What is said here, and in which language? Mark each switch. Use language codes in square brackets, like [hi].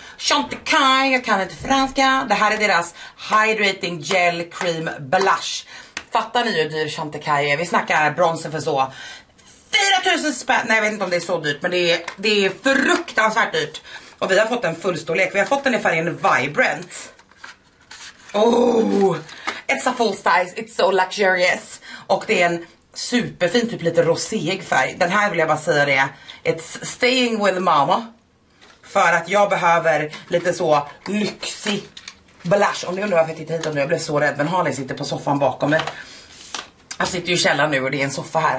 [sv] Chantecaille, jag kan inte franska. Det här är deras Hydrating Gel Cream Blush. Fattar ni hur dyr Chantecaille är? Vi snackar bronzer för så 4000 spänn, nej jag vet inte om det är så dyrt, men det är fruktansvärt dyrt. Och vi har fått en full storlek, vi har fått den i färgen Vibrant. [en] Oh, it's a full size, it's so luxurious. [sv] Och det är en superfin, typ lite roséig färg. Den här vill jag bara säga det, [en] it's staying with mama. [sv] För att jag behöver lite så lyxig blush. Om ni undrar varför jag tittar hit om nu, jag blev så rädd. Men Harley sitter på soffan bakom mig. Jag sitter ju i källaren nu och det är en soffa här.